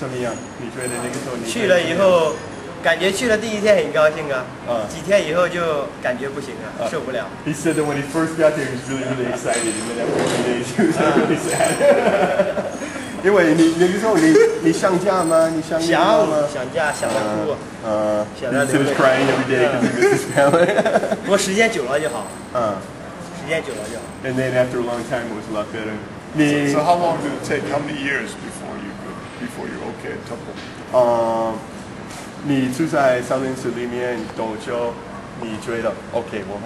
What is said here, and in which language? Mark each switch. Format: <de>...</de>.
<zh>你在上面去的时候，你八岁的时候，你怎么样？你觉得那个时候你去了以后。感觉去了第一天很高兴啊，几天以后就感觉不行了，受不了。</zh> <en>He said that when he first got there, he was really, really excited, and then after 4 days, he was really sad.</en> <zh>因为你那个时候你想家吗？你想家吗？想家，想哭。</zh> <en>He was crying every day because he missed his family.</en> <zh>不过时间久了就好。时间久了就好。</zh> <en>And then after a long time, it was a lot better. So how long did it take? How many years before you're okay at temple?</en> <zh>你住在三明治里面多久？你觉得 OK？</zh>